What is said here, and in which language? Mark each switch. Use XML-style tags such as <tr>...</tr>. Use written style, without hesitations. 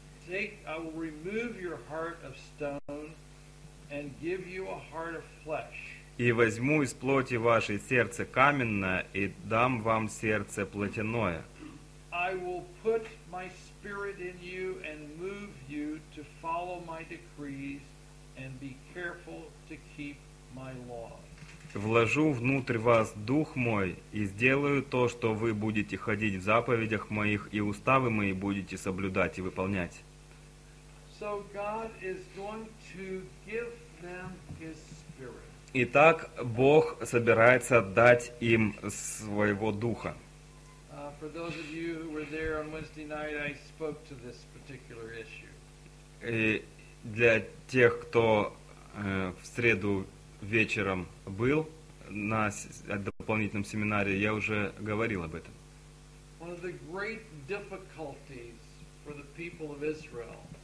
<en>I will remove your heart of stone and give you a heart of flesh.</en> <ru>И возьму из плоти вашей сердце каменное и дам вам сердце плотяное.</ru> <en>I will put my spirit in you and move you to follow my decrees and be careful to keep my laws.</en> <ru>Вложу внутрь вас дух мой и сделаю то, что вы будете ходить в заповедях моих и уставы мои будете соблюдать и выполнять.</ru> <en>So God is going to give them His Spirit.</en> <ru>Итак, Бог собирается дать им своего духа.</ru> <en>For those of you who were there on Wednesday night, I spoke to this particular issue.</en> <ru>И для тех, кто в среду вечером был на дополнительном семинаре, я уже говорил об этом.</ru> <en>One of the great difficulties for the people of Israel.</en>